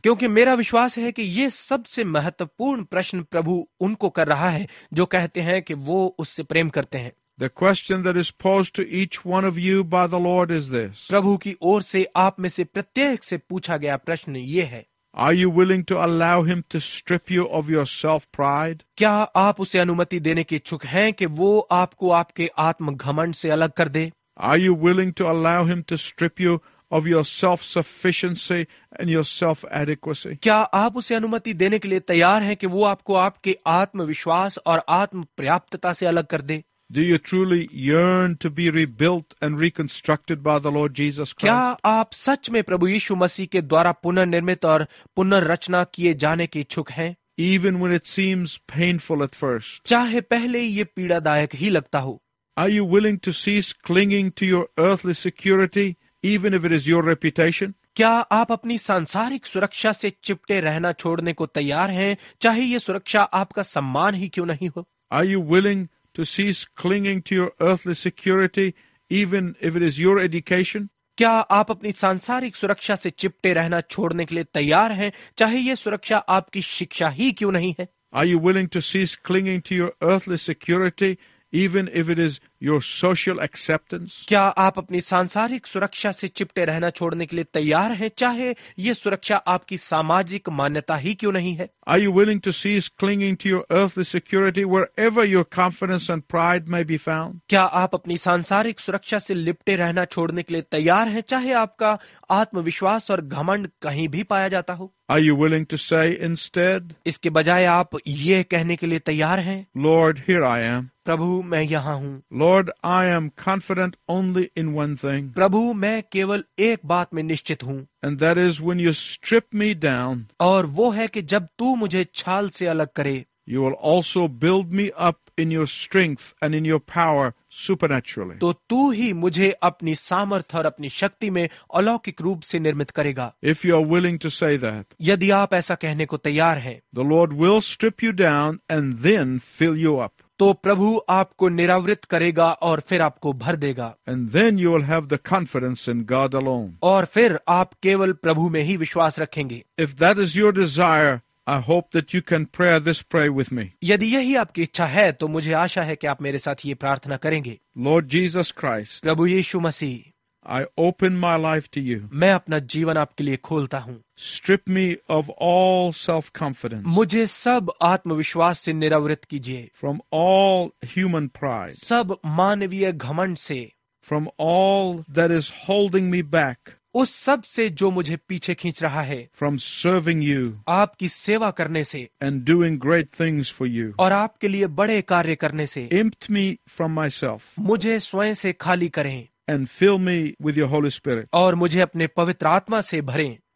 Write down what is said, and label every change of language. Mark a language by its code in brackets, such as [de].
[hi] क्योंकि मेरा विश्वास है कि ये सबसे महत्वपूर्ण प्रश्न प्रभु उनको कर रहा है जो कहते हैं कि वो उससे प्रेम करते हैं. [en] The question that is posed to each one of you by the Lord is this. [hi] प्रभु की ओर से आप में से प्रत्येक से पूछा गया प्रश्न ये है. [en] Are you willing to allow him to strip you of your self-pride? [hi] क्या आप उसे अनुमति देने के इच्छुक हैं कि वो आपको आपके आत्म घमंड से अलग कर दे? [en] Are you willing to allow him to strip you of your self-sufficiency and your self-adequacy? [hi] क्या आप उसे अनुमति देने के लिए तैयार हैं कि वो आपको आपके आत्मविश्वास और आत्म पर्याप्तता से अलग कर दे? [en] Do you truly yearn to be rebuilt and reconstructed by the Lord Jesus Christ? [hi] क्या आप सच में प्रभु यीशु मसीह के द्वारा पुनर्निर्मित और पुनर्रचना किए जाने के इच्छुक हैं? [en] Even when it seems painful at first. [hi] चाहे पहले ये पीड़ादायक ही लगता हो. [en] Are you willing to cease clinging to your earthly security, even if it is your reputation? [hi] क्या आप अपनी सांसारिक सुरक्षा से चिपटे रहना छोड़ने को तैयार हैं, चाहे ये सुरक्षा आपका सम्मान ही क्यों नहीं हो? [en] Are you willing to cease clinging to your earthly security, even if it is your education? [hi] क्या आप अपनी सांसारिक सुरक्षा से चिपटे रहना छोड़ने के लिए तैयार हैं, चाहे ये सुरक्षा आपकी शिक्षा ही क्यों नहीं है? [en] Are you willing to cease clinging to your earthly security, even if it is your social acceptance? [hi] क्या आप अपनी सांसारिक सुरक्षा से चिपटे रहना छोड़ने के लिए तैयार हैं, चाहे ये सुरक्षा आपकी सामाजिक मान्यता ही क्यों नहीं है? [en] Are you willing to cease clinging to your earthly security wherever your confidence and pride may be found? [hi] क्या आप अपनी सांसारिक सुरक्षा से लिपटे रहना छोड़ने के लिए तैयार हैं, चाहे आपका आत्मविश्वास और घमंड कहीं भी पाया जाता हो? [en] Are you willing to say instead? [hi] इसके बजाय आप ये कहने के लिए तैयार हैं? [en] Lord, here I am. [hi] प्रभु मैं यहाँ हूँ. [en] Lord, I am confident only in one thing. [hi] प्रभु मैं केवल एक बात में निश्चित हूँ. [en] And that is when you strip me down. [hi] और वो है कि जब तू मुझे छाल से अलग करे. [en] You will also build me up in your strength and in your power supernaturally. [hi] तो तू ही मुझे अपनी सामर्थ्य और अपनी शक्ति में अलौकिक रूप से निर्मित करेगा. [en] If you are willing to say that. [hi] यदि आप ऐसा कहने को तैयार हैं. [en] The Lord will strip you down and then fill you up. [hi] तो प्रभु आपको निरावृत करेगा और फिर आपको भर देगा. [en] And then you will have the confidence in God alone. [hi] और फिर आप केवल प्रभु में ही विश्वास रखेंगे. [en] If that is your desire, I hope that you can pray this prayer with me. [hi] यदि यही आपकी इच्छा है तो मुझे आशा है कि आप मेरे साथ ये प्रार्थना करेंगे. [en] Lord Jesus Christ. [hi] Prabhu Yeshu Masih. [en] I open my life to you. [hi] मैं अपना जीवन आपके लिए खोलता हूँ. [en] Strip me of all self-confidence. [hi] मुझे सब आत्मविश्वास से निरावृत कीजिए. [en] From all human pride. [hi] सब मानवीय घमंड से. [en] From all that is holding me back. [hi] उस सब से जो मुझे पीछे खींच रहा है, [en] from serving you, [hi] आपकी सेवा करने से, [en] and doing great things for you, [hi] और आपके लिए बड़े कार्य करने से, [en] empty me from myself, [hi] मुझे स्वयं से खाली करें, [en] and fill me with your holy spirit, [hi] और मुझे अपने पवित्र आत्मा से भरें,